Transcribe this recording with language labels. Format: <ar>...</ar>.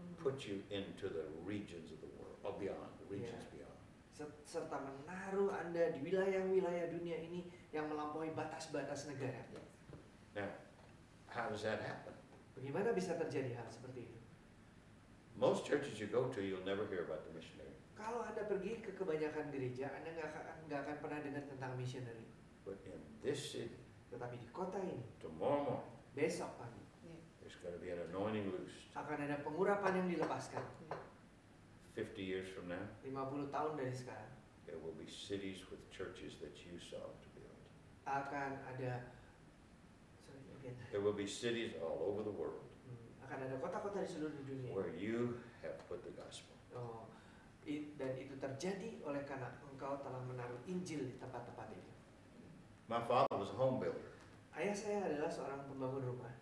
<en>Put you into the regions of the world, or beyond, the regions beyond.</en> <id>Serta menaruh Anda di wilayah-wilayah dunia ini yang melampaui batas-batas negara.</id> <en>Now, how does that happen?</en> <id>Bagaimana bisa terjadi hal seperti itu?</id> <en>Most churches you go to, you'll never hear about the missionary.</en> <id>Kalau Anda pergi ke kebanyakan gereja, Anda enggak akan pernah dengar tentang missionary.</id> <en>But in this city,</en> <id>tetapi di kota ini,</id> <en>tomorrow morning,</en> <id>besok pagi,</id> <en>there's going to be an anointing loosed.</en> <id>Akan ada pengurapan yang dilepaskan.</id> <en>50 years from now,</en> <id>50 tahun dari sekarang,</id> <en>there will be cities with churches that you saw to build.</en> <id>Akan ada,</id> <en>there will be cities all over the world.</en> <id>Akan ada kota-kota di seluruh dunia.</id> <en>Where you have put the gospel.</en> <id>Oh, dan itu terjadi oleh karena engkau telah menaruh Injil di tempat-tempat itu.</id> <en>My father was a home builder.</en> <id>Ayah saya adalah seorang pembangun rumah.</id>